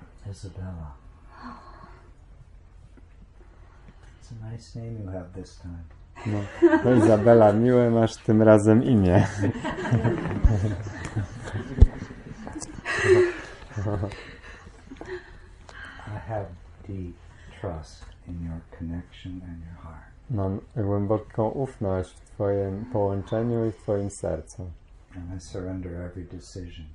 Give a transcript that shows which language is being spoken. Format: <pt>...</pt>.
<en>Isabella. It's a nice name you have this time.</en> <pl>No, Isabella, miłe masz tym razem imię.</pl> <en>I have deep trust in your connection and your heart.</en> <pl>Mam głęboką ufność w twoim połączeniu i w twoim sercu.</pl> <en>And I surrender every decision.</en>